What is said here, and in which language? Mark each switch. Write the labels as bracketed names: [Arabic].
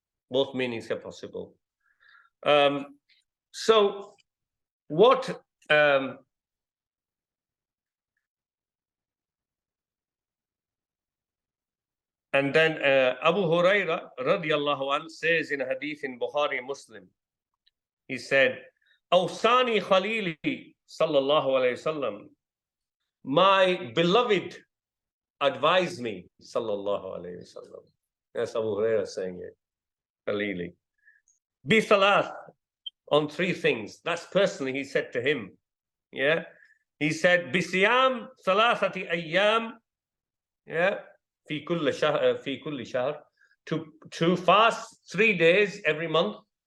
[English] Both meanings are possible. So what and then Abu Huraira radiallahu anhu says in a hadith in Bukhari Muslim, he said, [Arabic] أوصاني خليلي صلى الله عليه وسلم. [English] My beloved advised me, صلى الله عليه وسلم. Yes, Abu Huraira saying it. [Arabic] خليلي. بثلاث, [English] on three things. That's personally, he said to him. Yeah. He said, [Arabic] بصيام ثلاثة أيام. [English] Yeah. [Arabic] في كل شهر. [English] To fast 3 days every month.